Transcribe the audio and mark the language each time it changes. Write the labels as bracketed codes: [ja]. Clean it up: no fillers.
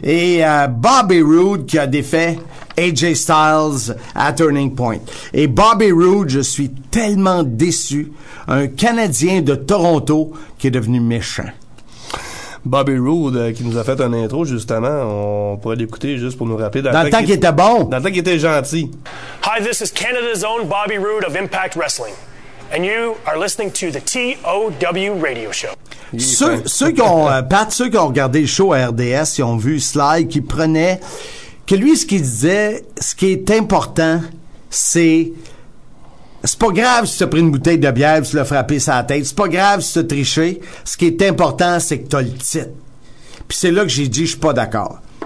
[fr] Et Bobby Roode qui a défait AJ Styles à Turning Point. Et Bobby Roode, je suis tellement déçu. Un Canadien de Toronto qui est devenu méchant. Bobby Roode, qui nous a fait un intro, justement. On pourrait l'écouter juste pour nous rappeler. Dans le temps qu'il était bon. Dans le temps qu'il était gentil. [en] Hi, this is Canada's own Bobby Roode of Impact Wrestling. And you are listening to the TOW Radio Show. [fr] Ceux qui ont regardé le show à RDS, ils ont vu Sly qui prenait... Que lui, ce qu'il disait, ce qui est important, c'est pas grave si t'as pris une bouteille de bière, si tu l'as frappé sur la tête, c'est pas grave si t'as triché. Ce qui est important, c'est que t'as le titre. Puis c'est là que j'ai dit, je suis pas d'accord.